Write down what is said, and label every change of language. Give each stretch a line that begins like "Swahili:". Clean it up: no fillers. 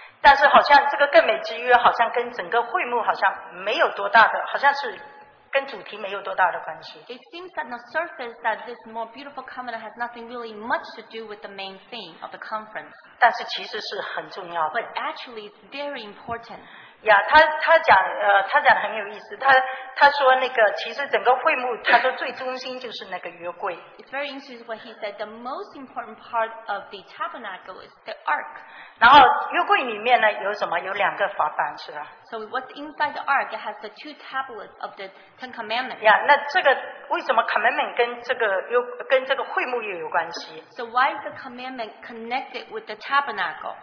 Chinese: 但是好像这个更美之约好像跟整个会幕好像没有多大的，好像是跟主题没有多大的关系。
English: It seems on the surface that this more beautiful covenant has nothing really much to do with the main theme of the conference.
Chinese: 但是其实是很重要的。
English: But actually, it's very important.
Chinese: 他讲的很有意思，他说那个其实整个会幕，他说最中心就是那个约柜。
English: It's very interesting what he said. The most important part of the tabernacle is the ark.
Chinese: 然后约柜里面呢有什么？有两个法版是吧？
English: So what's inside the ark? It has the two tablets of the Ten Commandments.
Chinese: 那这个为什么 commandment 跟这个会幕又有关系？
English: So why is the commandment connected with the tabernacle?